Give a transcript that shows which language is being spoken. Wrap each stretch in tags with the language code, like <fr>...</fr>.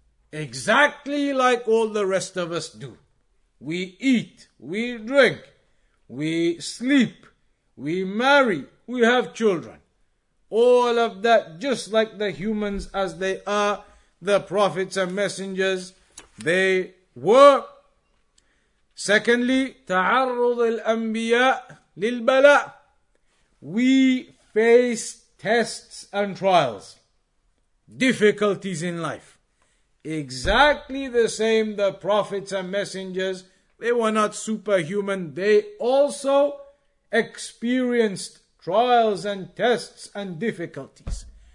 <en>Exactly like all the rest of us do. We eat, we drink, we sleep, we marry, we have children. All of that, just like the humans as they are, the prophets and messengers, they were. Secondly,</en> <ar>تعرض الأنبياء للبلاء.</ar> <en>We face tests and trials, difficulties in life. Exactly the same, the prophets and messengers, they were not superhuman. They also experienced trials and tests and difficulties.</en>